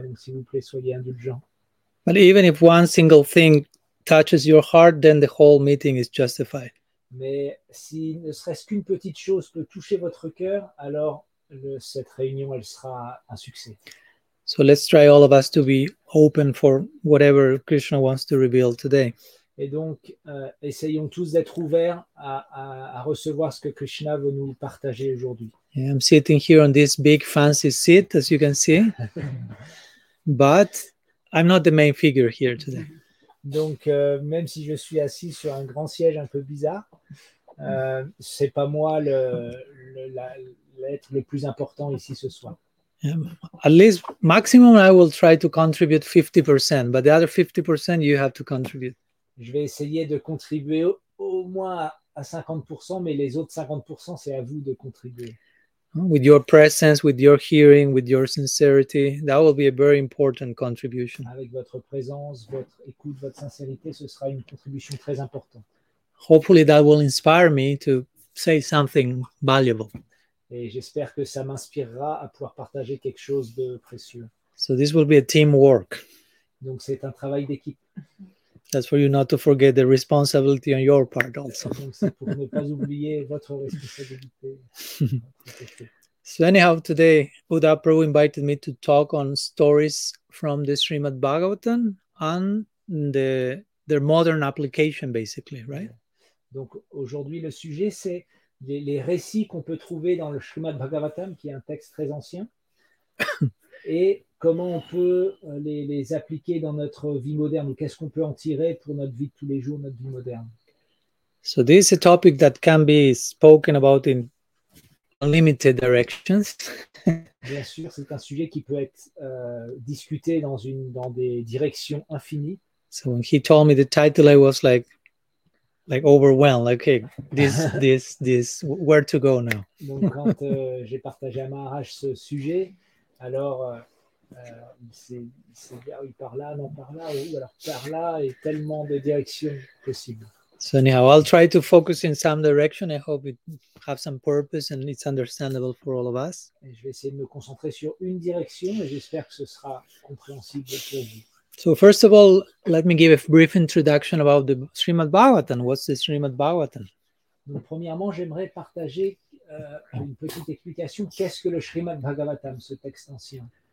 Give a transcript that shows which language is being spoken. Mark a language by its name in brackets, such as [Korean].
[French] Donc, s'il vous plaît, soyez indulgents. [English] But even if one single thing touches your heart, then the whole meeting is justified. [French] Mais si ne serait-ce qu'une petite chose peut toucher votre cœur, alors cette réunion, elle sera un succès. [English] So let's try all of us to be open for whatever Krishna wants to reveal today. [French] Et donc, essayons tous d'être ouverts à recevoir ce que Krishna veut nous partager aujourd'hui. [English] Yeah, I'm sitting here on this big fancy seat, as you can see. But I'm not the main figure here today. [French] Donc, même si je suis assis sur un grand siège un peu bizarre, c'est pas moi l'être le plus important ici ce soir. [English] At least, maximum, I will try to contribute 50%. But the other 50%, you have to contribute. [French] Je vais essayer de contribuer au moins à 50%, mais les autres 50%, c'est à vous de contribuer. [English] With your presence, with your hearing, with your sincerity, that will be a very important contribution. [French] Avec votre présence, votre écoute, votre sincérité, ce sera une contribution très importante. [English] Hopefully that will inspire me to say something valuable. [French] Et j'espère que ça m'inspirera à pouvoir partager quelque chose de précieux. [English] So this will be a teamwork. [French] Donc c'est un travail d'équipe. [English] That's for you not to forget the responsibility on your part also. So anyhow, today Uddha Prabhu invited me to talk on stories from the Srimad Bhagavatam and their modern application, basically, right? [French] Donc aujourd'hui le sujet c'est les récits qu'on peut trouver dans le Srimad Bhagavatam, qui est un texte très ancien, et comment on peut les appliquer dans notre vie moderne, ou qu'est-ce qu'on peut en tirer pour notre vie de tous les jours, notre vie moderne. [English] So this is a topic that can be spoken about in unlimited directions. [French] Bien sûr, c'est un sujet qui peut être discuté dans des directions infinies. [English] So when he told me the title, I was like overwhelmed. Like, okay, this, where to go now? [French] Donc quand j'ai partagé à Maharaj ce sujet, alors c'est bien, oui, par là, non par là, ou alors par là, et tellement de directions possibles. [English] So anyhow, I'll try to focus in some direction. I hope it has some purpose and it's understandable for all of us. [French] Et je vais essayer de me concentrer sur une direction et j'espère que ce sera compréhensible pour vous. [English] So first of all, let me give a brief introduction about the Srimad Bhagavatam. What's the Srimad Bhagavatam? [French] Donc, premièrement, j'aimerais partager une petite explication. Qu'est-ce que le Srimad Bhagavatam, ce texte ancien?